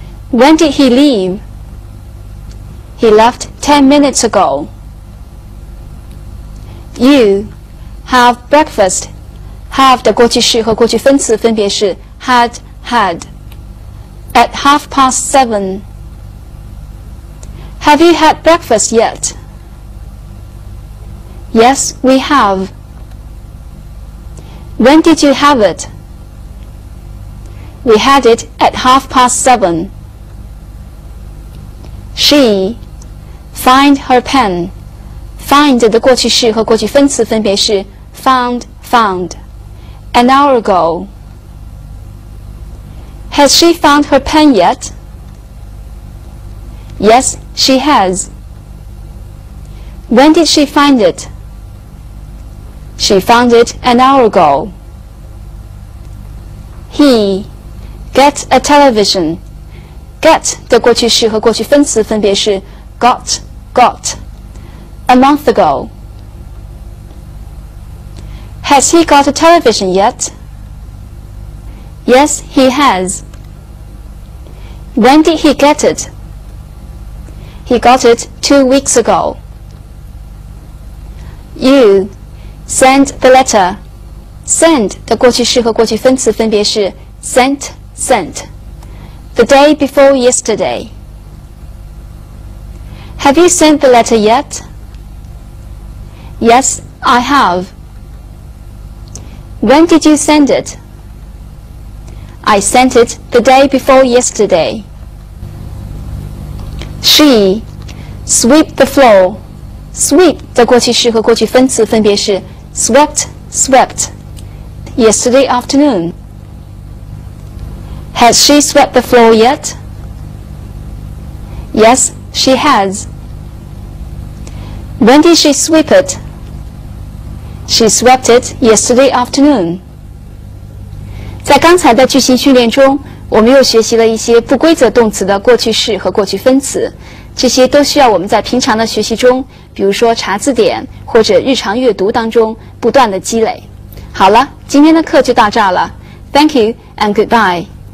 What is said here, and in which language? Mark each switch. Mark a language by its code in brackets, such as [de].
[en] When did he leave? He left 10 minutes ago. You have breakfast. [zh] Have 的过去式和过去分词分别是 [en] had, had. At 7:30. Have you had breakfast yet? Yes, we have. When did you have it? We had it at 7:30. She find her pen. [zh] Find 的过去式和过去分词分别是 [en] found, found. An hour ago. Has she found her pen yet? Yes, she has. When did she find it? She found it an hour ago. He get a television. [zh] Get 的过去式和过去分词分别是 [en] got, got. A month ago. Has he got a television yet? Yes, he has. When did he get it? He got it 2 weeks ago. You send the letter. [zh] Send 的过去式和过去分词分别是 [en] sent, sent. The day before yesterday. Have you sent the letter yet? Yes, I have. When did you send it? I sent it the day before yesterday. She sweep the floor. [zh] Sweep 的过去式和过去分词分别是 [en] swept, swept. Yesterday afternoon. Has she swept the floor yet? Yes, she has. When did she sweep it? She swept it yesterday afternoon. [zh] 在刚才的句型训练中，我们又学习了一些不规则动词的过去式和过去分词，这些都需要我们在平常的学习中，比如说查字典或者日常阅读当中不断的积累。好了，今天的课就到这儿了。 [en] Thank you and goodbye.